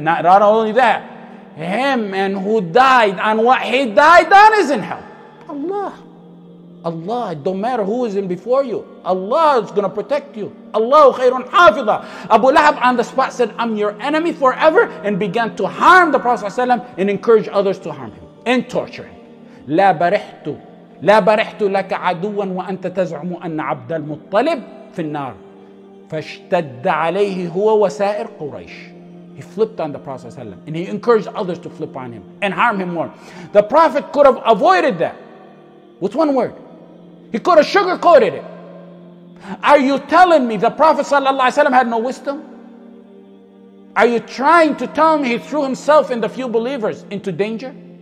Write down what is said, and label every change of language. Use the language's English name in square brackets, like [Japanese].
[English] Not only that. Him and who died on what he died on is in hell. Allah, it don't matter who is in before you. Allah is going to protect you. [Arabic] Allahu khayrun hafidha. [English] Abu Lahab on the spot said, I'm your enemy forever, and began to harm the Prophet ﷺ and encourage others to harm him and torture him. [Arabic] لَا بَرِحْتُ لا برحت لك عدوا وأنت تزعم أن عبد المطلب في النار فاشتد عليه هو وسائر قريش. [English] He flipped on the Prophet ﷺ and he encouraged others to flip on him and harm him more. The Prophet could have avoided that with one word. He could have sugarcoated it. Are you telling me the Prophet ﷺ had no wisdom? Are you trying to tell me he threw himself and the few believers into danger?